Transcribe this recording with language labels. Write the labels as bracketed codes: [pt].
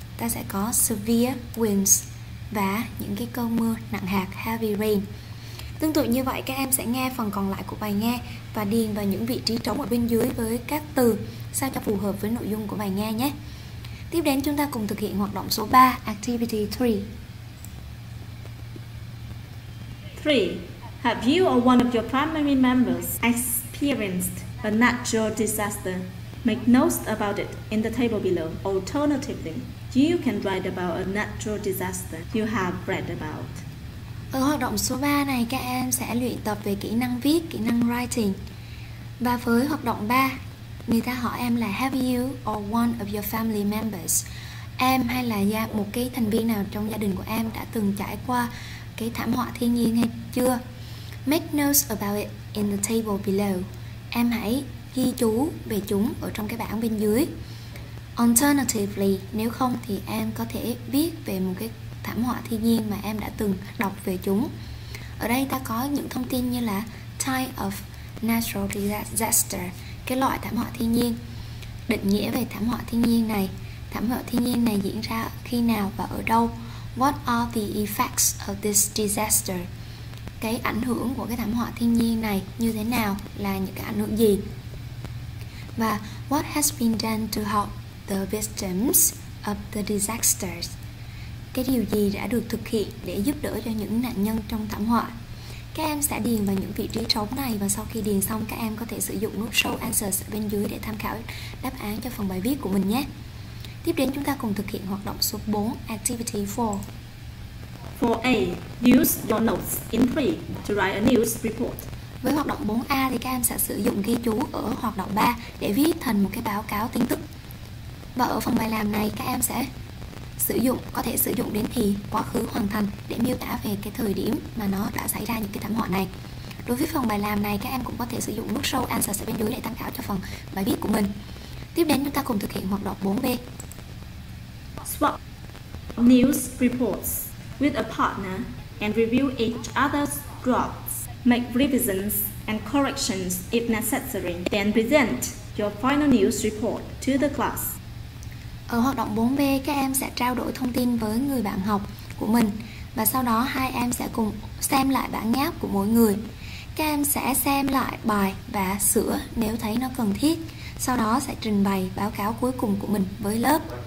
[vi] Ta sẽ có [en] severe winds [vi] và những cái cơn mưa nặng hạt, [en] heavy rain. [vi] Tương tự như vậy, các em sẽ nghe phần còn lại của bài nghe và điền vào những vị trí trống ở bên dưới với các từ sao cho phù hợp với nội dung của bài nghe nhé. Tiếp đến chúng ta cùng thực hiện hoạt động số 3, Activity 3. [en] 3. Have you or one of your family members experienced a natural disaster? Make notes about it in the table below. Alternatively, you can write about a natural disaster you have read about. [vi] Ở hoạt động số 3 này, các em sẽ luyện tập về kỹ năng viết, kỹ năng writing. Và với hoạt động 3, người ta hỏi em là [en] have you or one of your family members, [vi] em hay là gia một cái thành viên nào trong gia đình của em đã từng trải qua cái thảm họa thiên nhiên hay chưa. [en] Make notes about it in the table below, [vi] em hãy ghi chú về chúng ở trong cái bảng bên dưới. Alternatively, nếu không thì em có thể viết về một cái thảm họa thiên nhiên mà em đã từng đọc về chúng. Ở đây ta có những thông tin như là [en] type of natural disaster, [vi] cái loại thảm họa thiên nhiên, định nghĩa về thảm họa thiên nhiên này diễn ra khi nào và ở đâu. [en] What are the effects of this disaster? [vi] Cái ảnh hưởng của cái thảm họa thiên nhiên này như thế nào, là những cái ảnh hưởng gì? [en] Và what has been done to help the victims of the disasters? [vi] Cái điều gì đã được thực hiện để giúp đỡ cho những nạn nhân trong thảm họa? Các em sẽ điền vào những vị trí trống này và sau khi điền xong, các em có thể sử dụng nút Show Answers ở bên dưới để tham khảo đáp án cho phần bài viết của mình nhé. Tiếp đến chúng ta cùng thực hiện hoạt động số 4, Activity 4. [en] 4A, use your notes in 3 to write a news report. [vi] Với hoạt động 4A thì các em sẽ sử dụng ghi chú ở hoạt động 3 để viết thành một cái báo cáo tin tức. Và ở phần bài làm này, các em sẽ có thể sử dụng đến thì quá khứ hoàn thành để miêu tả về cái thời điểm mà nó đã xảy ra những cái thảm họa này. Đối với phần bài làm này, các em cũng có thể sử dụng nút Show Answers ở bên dưới để tham khảo cho phần bài viết của mình. Tiếp đến chúng ta cùng thực hiện hoạt động 4B. [en] Swap news reports with a partner and review each other's drafts, make revisions and corrections if necessary, then present your final news report to the class. [vi] Ở hoạt động 4B, các em sẽ trao đổi thông tin với người bạn học của mình và sau đó hai em sẽ cùng xem lại bản nháp của mỗi người. Các em sẽ xem lại bài và sửa nếu thấy nó cần thiết, sau đó sẽ trình bày báo cáo cuối cùng của mình với lớp.